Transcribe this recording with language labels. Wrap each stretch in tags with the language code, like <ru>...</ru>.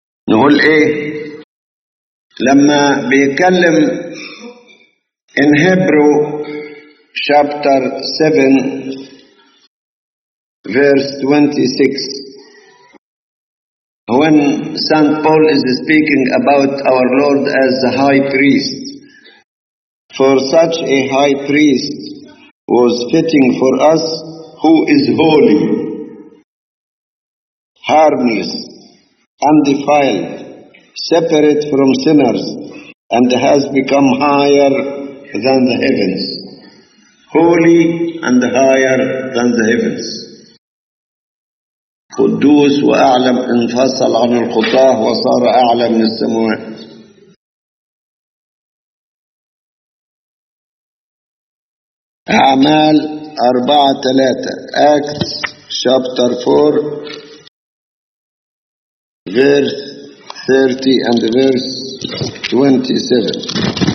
<ar>نقول ايه لما بيكلم ان</ar> <en>Hebrews chapter 7 verse 26 when St. Paul is speaking about our Lord as the high priest. For such a high priest was fitting for us who is holy, harmless, undefiled, separate from sinners, and has become higher than the heavens. Holy and higher than the heavens.</en> <ar>قدوس وأعلى، انفصل عن الخطاة وصار أعلى من السماوات. أعمال 4:3</ar> <en>Acts chapter 4 verse 30 and verse 27.</en>